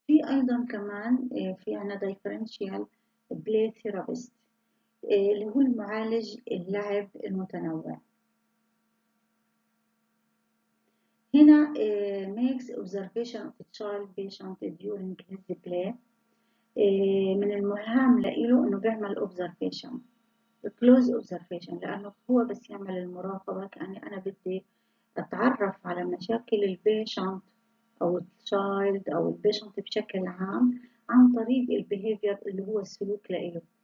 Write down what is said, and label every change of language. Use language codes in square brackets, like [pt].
[ar] أيضا كمان في عنا differential play therapist اللي هو المعالج اللعب المتنوع. [en] هنا makes observation of the child patient during his play. [ar] من المهام لإله إنه بيعمل observation close observation، لأنه هو بس يعمل المراقبة، كأني أنا بدي أتعرف على مشاكل البيشنت أو التشايلد أو البيشنت بشكل عام عن طريق البيهيفير اللي هو السلوك لإله.